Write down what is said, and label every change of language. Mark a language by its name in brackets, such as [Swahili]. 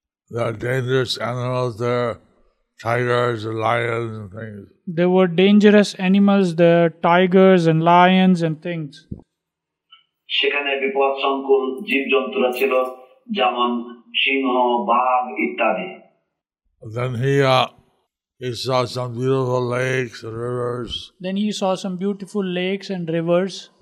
[English] There are dangerous animals there, tigers and lions and things. There were dangerous animals there, tigers and lions and things. [Bangla] সেখানে বিপদসংকুল জীবজন্তুরা ছিল, যেমন সিংহ, বাঘ ইত্যাদি. [English] Then he saw some beautiful lakes and rivers. Then he saw some beautiful lakes and rivers.